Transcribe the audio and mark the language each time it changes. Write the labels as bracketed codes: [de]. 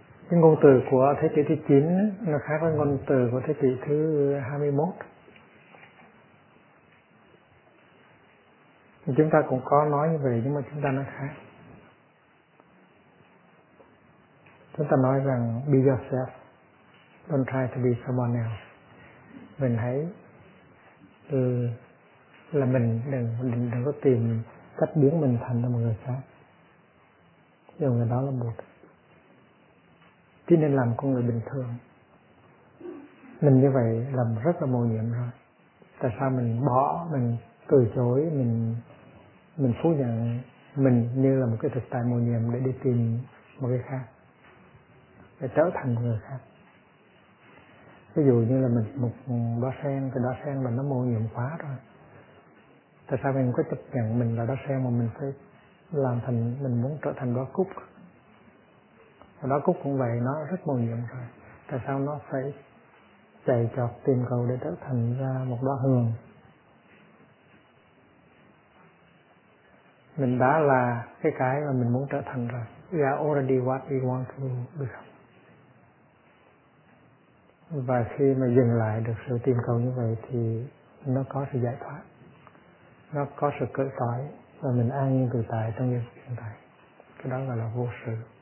[vi] Cái ngôn từ của thế kỷ thứ 9 nó khác với ngôn từ của thế kỷ thứ 21. Chúng ta cũng có nói như vậy nhưng mà chúng ta nói khác. Chúng ta nói rằng [en] be yourself, don't try to be someone else. [vi] Mình hãy là mình, đừng có tìm cách biến mình thành một người khác. Điều người đó là một. Chỉ nên làm con người bình thường. Mình như vậy làm rất là mầu nhiệm rồi. Tại sao mình bỏ, mình từ chối, mình phủ nhận mình như là một cái thực tại mầu nhiệm để đi tìm một cái khác, để trở thành người khác. Ví dụ như là mình một đóa sen, cái đóa sen mà nó mô nhiệm quá rồi. Tại sao mình có chấp nhận mình là đóa sen mà mình phải làm thành, mình muốn trở thành đóa cúc? Và đóa cúc cũng vậy, nó rất mô nhiệm rồi. Tại sao nó phải chạy chọt tìm cầu để trở thành ra một đóa hương? Mình đã là cái mà mình muốn trở thành rồi. [en] we are already what we want to become. [vi] Và khi mà dừng lại được sự tìm cầu như vậy thì nó có sự giải thoát, nó có sự cởi trói và mình an nhiên tự tại trong hiện tại. Cái đó gọi là vô sự.